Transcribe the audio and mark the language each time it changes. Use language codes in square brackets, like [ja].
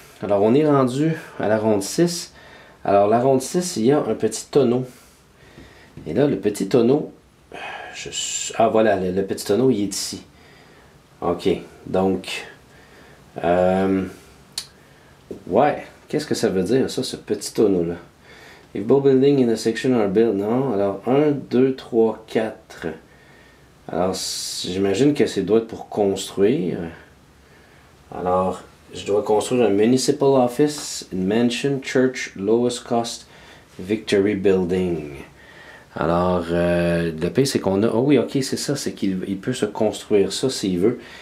[fr] Alors, on est rendu à la ronde 6. Alors, la ronde 6, il y a un petit tonneau. Et là, le petit tonneau... voilà, le petit tonneau, il est ici. OK, donc... ouais, qu'est-ce que ça veut dire, ça, ce petit tonneau-là? [en] If both buildings in a section are built, non? [fr] Alors, 1, 2, 3, 4. Alors, j'imagine que ça doit être pour construire. Alors, je dois construire un municipal office, une mansion, church, lowest cost, victory building. Alors, le pire, c'est qu'on a... Ah oui, OK, c'est ça, c'est qu'il peut se construire ça s'il veut.